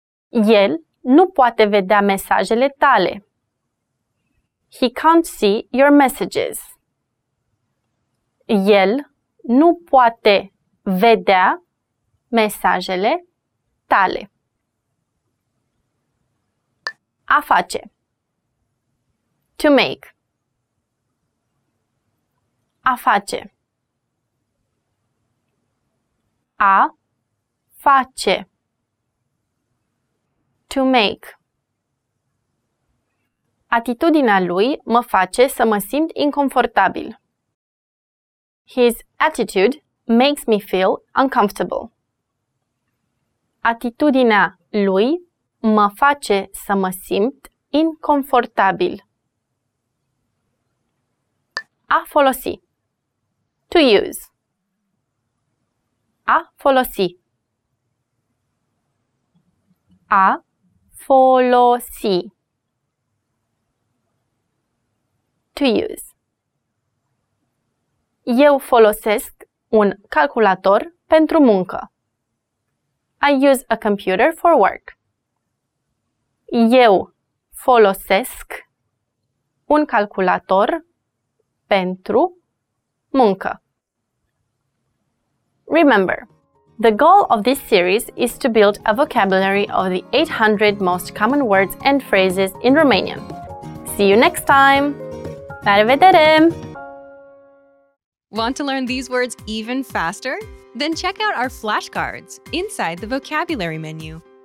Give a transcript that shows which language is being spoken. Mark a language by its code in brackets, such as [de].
[ro] El nu poate vedea mesajele tale. [en] He can't see your messages. [ro] El nu poate vedea mesajele tale. A face. [en] To make. [ro] A face. A face. [en] To make. [ro] Atitudinea lui mă face să mă simt inconfortabil. [en] His attitude makes me feel uncomfortable. [ro] Atitudinea lui mă face să mă simt inconfortabil. A folosi. [en] To use. [ro] A folosi. A folosi. [en] To use. [ro] Eu folosesc un calculator pentru muncă. [en] I use a computer for work. [ro] Eu folosesc un calculator pentru muncă. [en] Remember, the goal of this series is to build a vocabulary of the 800 most common words and phrases in Romanian. See you next time! [ro] La revedere! [en] Want to learn these words even faster? Then check out our flashcards inside the vocabulary menu.